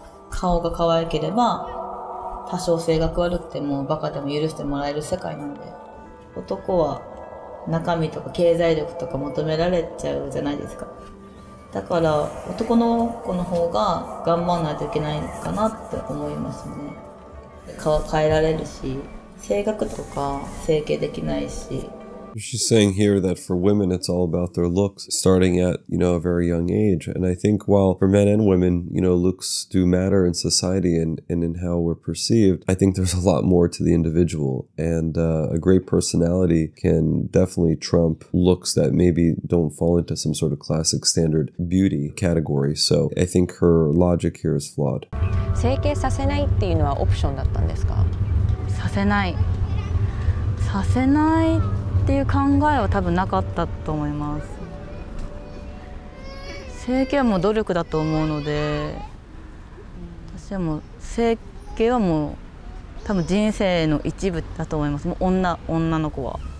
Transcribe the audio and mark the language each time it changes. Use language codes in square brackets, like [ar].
[ja] 顔が可愛ければ多少性格悪くてもバカでも許してもらえる世界なんで、男は中身とか経済力とか求められちゃうじゃないですか。だから男の子の方が頑張らないといけないのかなって思いますね。顔変えられるし、性格とか整形できないし。 [en] She's saying here that for women, it's all about their looks, starting at, you know, a very young age. And I think while for men and women, you know, looks do matter in society and in how we're perceived, I think there's a lot more to the individual. And a great personality can definitely trump looks that maybe don't fall into some sort of classic standard beauty category. So I think her logic here is flawed. [ja] 整形させないっていうのはオプションだったんですか？させない。させない。っていう考えは多分なかったと思います。整形はもう努力だと思うので、私はもう整形はもう多分人生の一部だと思います。もう女の子は、